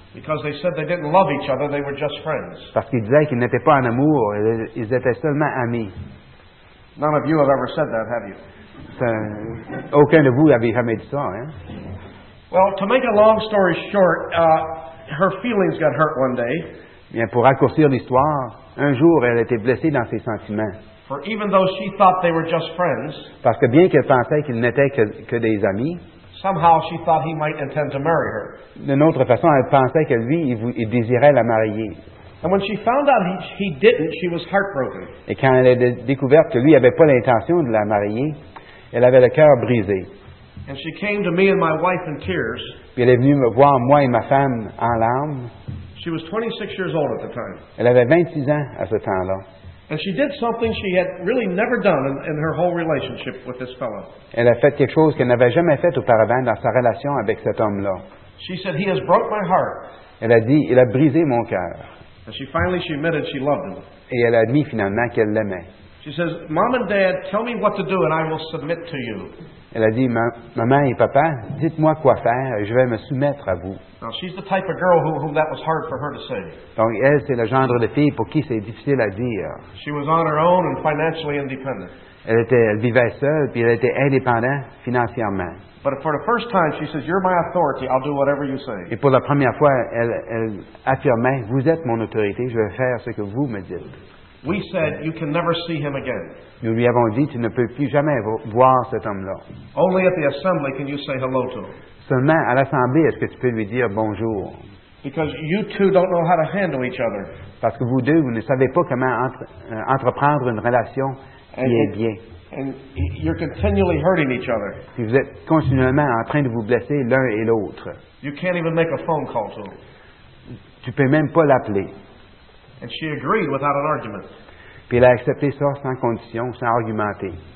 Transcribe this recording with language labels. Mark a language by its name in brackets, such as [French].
[English] Because they said they didn't love each other, they were just friends. [French] Parce qu'ils disaient qu'ils n'étaient pas en amour, ils étaient seulement amis. [English] None of you have ever said that, have you? [French] Aucun de vous n'avait jamais dit ça, hein? [English] Well, to make a long story short, her feelings got hurt one day. [French] Bien, pour raccourcir l'histoire, un jour, elle était blessée dans ses sentiments. [English] For even though she thought they were just friends, [French] parce que bien qu'elle pensait qu'ils n'étaient que des amis, [English] somehow she thought he might intend to marry her. [French] D'une autre façon, elle pensait que lui, il désirait la marier. [English] And when she found out he didn't, she was heartbroken. [French] Et quand elle a découvert que lui n'avait pas l'intention de la marier, elle avait le cœur brisé. [English] And she came to me and my wife in tears. [French] Puis elle est venue me voir, moi et ma femme, en larmes. [English] She was 26 years old at the time. [French] Elle avait 26 ans à ce temps-là. [English] And she did something she had really never done in her whole relationship with this fellow. [French] Elle a fait quelque chose qu'elle n'avait jamais fait auparavant dans sa relation avec cet homme-là. [English] She said, he has broke my heart. [French] Elle a dit, il a brisé mon cœur. [English] And she admitted she loved him. [French] Et elle a admis finalement qu'elle l'aimait. [English] She says, Mom and Dad, tell me what to do and I will submit to you. [French] Elle a dit, maman et papa, dites-moi quoi faire et je vais me soumettre à vous. [English] Now, she's the type of girl whom that was hard for her to say. [French] Donc, elle, c'est le genre de fille pour qui c'est difficile à dire. [English] She was on her own and financially independent. [French] Elle vivait seule puis elle était indépendante financièrement. [English] But for the first time, she says, you're my authority, I'll do whatever you say. [French] Et pour la première fois, elle affirmait, vous êtes mon autorité, je vais faire ce que vous me dites. [English] We said, you can never see him again. [French] Nous lui avons dit, tu ne peux plus jamais voir cet homme-là. [English] Only at the assembly can you say hello to him. [French] Seulement à l'assemblée, est-ce que tu peux lui dire bonjour? [English] Because you two don't know how to handle each other. [French] Parce que vous deux, vous ne savez pas comment entreprendre une relation qui est bien. [English] And you're continually hurting each other. [French] Si vous êtes continuellement en train de vous blesser l'un et l'autre. [English] You can't even make a phone call to him. [French] Tu peux même pas l'appeler. [English] And she agreed without an argument. [French] Puis elle a accepté ça sans condition, sans argumenter.